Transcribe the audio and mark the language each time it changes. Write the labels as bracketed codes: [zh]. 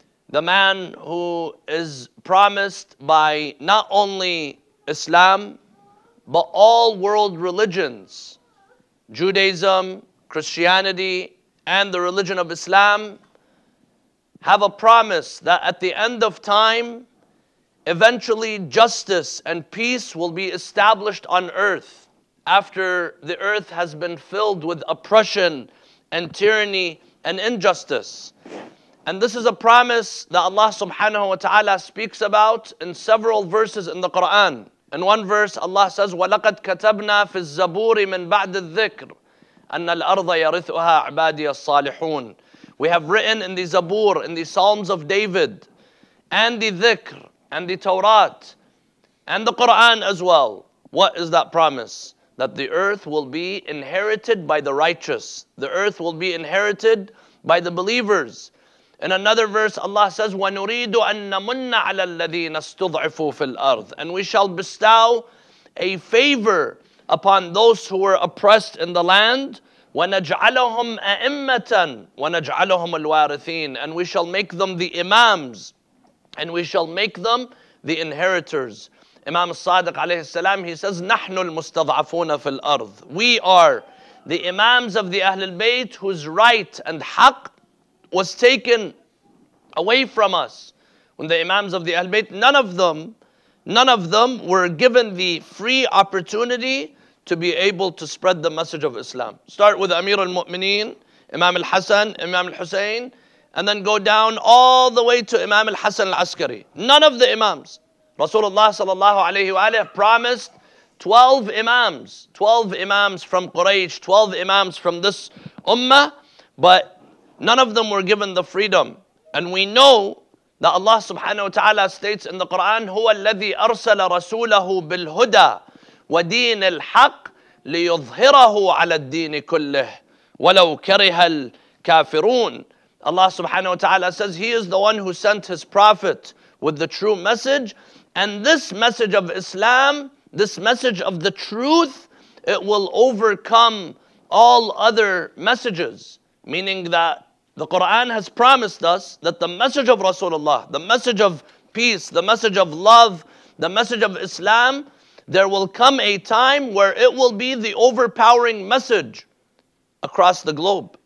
[en] The man who is promised by not only Islam, but all world religions, Judaism, Christianity, and the religion of Islam, have a promise that at the end of time, eventually justice and peace will be established on earth after the earth has been filled with oppression and tyranny and injustice. And this is a promise that Allah subhanahu wa ta'ala speaks about in several verses in the Quran. In one verse, Allah says, [ar] وَلَقَدْ كَتَبْنَا فِي الزَّبُورِ مِنْ بَعْدِ الذِّكْرِ أَنَّ الْأَرْضَ يَرِثُهَا عِبَادِيَ الصَّالِحُونَ. [en] We have written in the Zabur, in the Psalms of David, and the Dhikr, and the Torah, and the Quran as well. What is that promise? That the earth will be inherited by the righteous. The earth will be inherited by the believers. In another verse, Allah says, [ar] وَنُرِيدُ أَنَّ مُنَّ عَلَى الَّذِينَ اسْتُضْعِفُوا فِي الْأَرْضِ. [en] And we shall bestow a favor upon those who were oppressed in the land. [ar] وَنَجْعَلَهُمْ أَئِمَّةً وَنَجْعَلَهُمُ الْوَارِثِينَ. [en] And we shall make them the imams, and we shall make them the inheritors. Imam al-Sadiq alayhi salam, he says, [ar] نَحْنُ الْمُسْتَضْعَفُونَ فِي الْأَرْضِ. [en] We are the imams of the Ahlul Bayt whose right and haq was taken away from us. When the imams of the Ahlul Bayt, none of them were given the free opportunity to be able to spread the message of Islam. Start with Amir al-Mu'mineen, Imam al-Hassan, Imam al-Hussein, and then go down all the way to Imam al-Hassan al-Askari. None of the imams. Rasulullah sallallahu alayhi wa alayhi promised 12 imams, 12 imams from Quraysh, 12 imams from this ummah, but none of them were given the freedom. And we know that Allah subhanahu wa ta'ala states in the Quran, [ar] هُوَ الَّذِي أَرْسَلَ رَسُولَهُ بِالْهُدَى وَدِينِ الْحَقِّ لِيُظْهِرَهُ عَلَى الدِّينِ كُلِّهِ وَلَوْ كَرِهَ الْكَافِرُونَ. [en] Allah subhanahu wa ta'ala says, He is the one who sent His Prophet with the true message. And this message of Islam, this message of the truth, it will overcome all other messages. Meaning that the Quran has promised us that the message of Rasulullah, the message of peace, the message of love, the message of Islam, there will come a time where it will be the overpowering message across the globe.